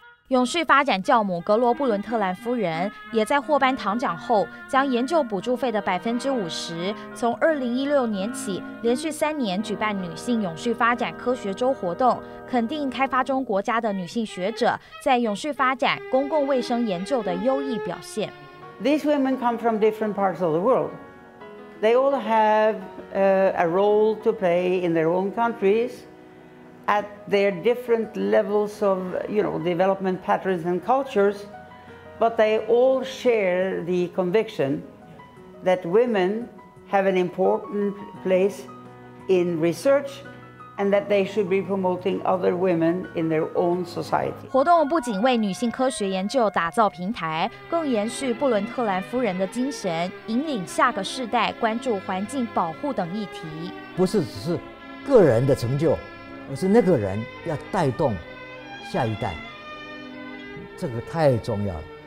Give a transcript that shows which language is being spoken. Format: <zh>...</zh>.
<zh>永续发展教母格罗布伦特兰夫人也在获颁唐奖后，将研究补助费的50%从2016年起连续3年举办女性永续发展科学周活动，肯定开发中国家的女性学者在永续发展、公共卫生研究的优异表现。</zh> <en>These women come from different parts of the world. They all have a role to play in their own countries. At their different levels of, you know, development patterns and cultures, but they all share the conviction that women have an important place in research. And that they should be promoting other women in their own society.</en> <zh>活动不仅为女性科学研究打造平台，更延续布伦特兰夫人的精神，引领下个世代关注环境保护等议题。不是只是个人的成就，而是那个人要带动下一代，这个太重要了。</zh>